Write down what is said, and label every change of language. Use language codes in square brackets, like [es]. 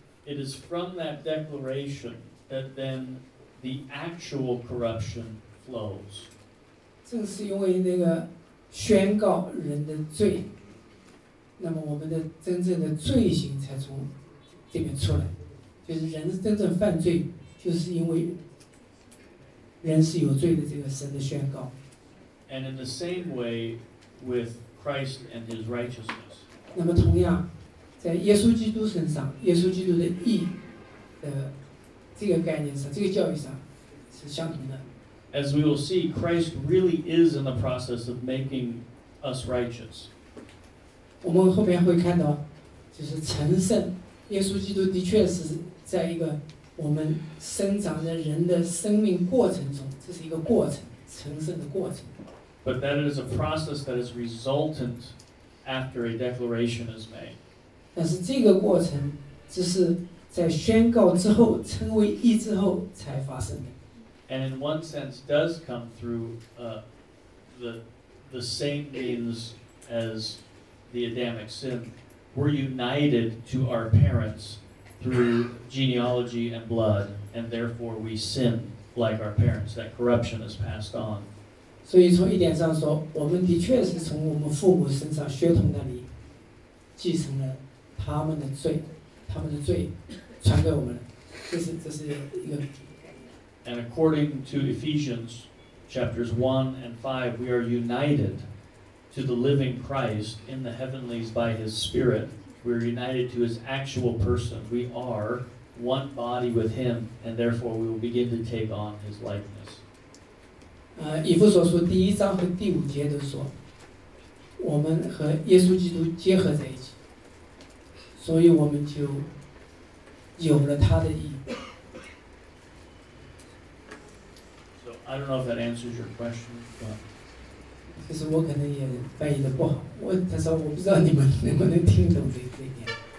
[en] It is from that declarationthat then the actual corruption flows. [zh] 正是因为那个宣告人的罪，那么我们的真正的罪行才从这边出来，就是人真正犯罪就是因为人是有罪的这个神的宣告。 [en] And in the same way with Christ and his righteousness. [zh] 那么同样在耶稣基督身上，耶稣基督的义的这个概念上，这个教义上是相同的。 [en] As we will see, Christ really is in the process of making us righteous. [zh] 我们后面会看到，就是成圣，耶稣基督的确是在一个我们生长在人的生命过程中，这是一个过程，成圣的过程。 [en] But that is a process that is resultant after a declaration is made. [zh] 但是这个过程只是在宣告之后，称为义之后才发生的。 [en] And in one sense does come through the same means as the Adamic sin. We're united to our parents through genealogy and blood, and therefore we sin like our parents. That corruption is passed on. [zh] 所以从一点上说，我们的确是从我们父母身上血统那里继承了他们的罪，他们的罪传给我们，这是一个。 [en] And according to Ephesians chapters 1 and 5, we are united to the living Christ in the heavenlies by his spirit. We are united to his actual person. We are one body with him, and therefore we will begin to take on his likeness. [zh] 以弗所书第一章和第五节都说，我们和耶稣基督结合在一起，所以我们就有了他的意义。 [en] So I don't know if that answers your question, but [zh] 其实我可能也翻译的不好，他说我不知道你们能不能听懂这一点。